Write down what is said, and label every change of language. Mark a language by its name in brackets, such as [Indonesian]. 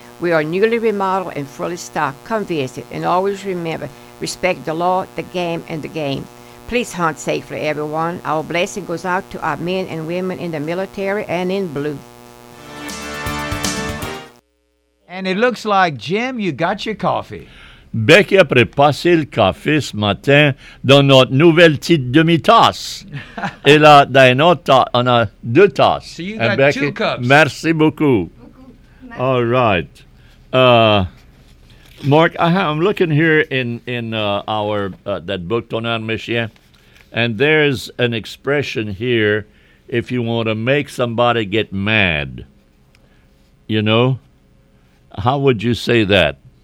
[English] We are newly remodeled and fully stocked. Come visit. And always remember, respect the law, the game, and the game. Please hunt safely, everyone. Our blessing goes out to our men and women in the military and in blue. And it looks like, Jim, you got your coffee. [French] Becky a prépassé le café ce matin dans notre nouvelle petite demi-tasse. Et là, dans une autre tasse, on a deux tasses. [English] So you got and Becky, two cups. [French] Merci beaucoup. [English] All right. Mark, I'm looking here in our that book, Tonnerre Michien, and there's an expression here, if you want to make somebody get mad, you know, how would you say that?